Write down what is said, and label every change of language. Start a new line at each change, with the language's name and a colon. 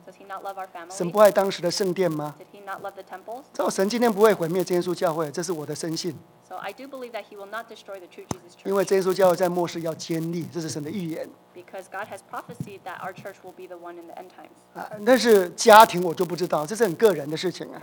English: Does he not love our family?
Chinese: 神不爱当时的圣殿吗?
English: Did he not love the temples?
Chinese: 神今天不会毁灭耶稣教会，这是我的深信。
English: So I do believe that he will not destroy the true Jesus church.
Chinese: 因为耶稣教会在末世要坚立，这是神的预言。
English: Because God has prophesied that our church will be the one in the end times.
Chinese: 但是家庭我就不知道，这是很个人的事情啊。